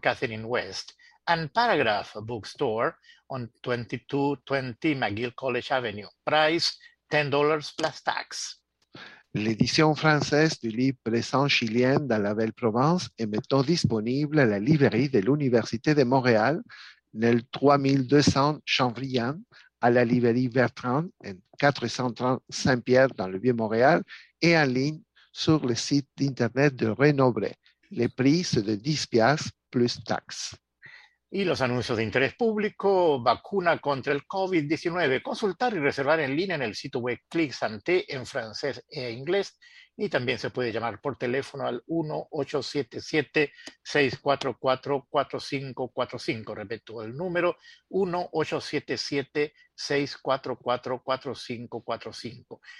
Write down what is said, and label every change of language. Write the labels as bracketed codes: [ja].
[en] Catherine West, and Paragraph Bookstore on 2220 McGill College Avenue. Price $10 plus tax. [fr] L'édition française du livre Présence chilienne dans la Belle Provence est maintenant disponible à la librairie de l'Université de Montréal, nel 3200 Chambrian, à la librairie Bertrand, en 430 Saint-Pierre, dans le Vieux-Montréal, et en ligne sur le site internet de Renobré. Le prix, c'est de 10 piastres plus taxes. [es] Y los anuncios de interés público, vacuna contra el COVID-19, consultar y reservar en línea en el sitio web Clic Santé en francés e inglés, y también se puede llamar por teléfono al 1-877-644-4545, repito el número, 1-877-644-4545.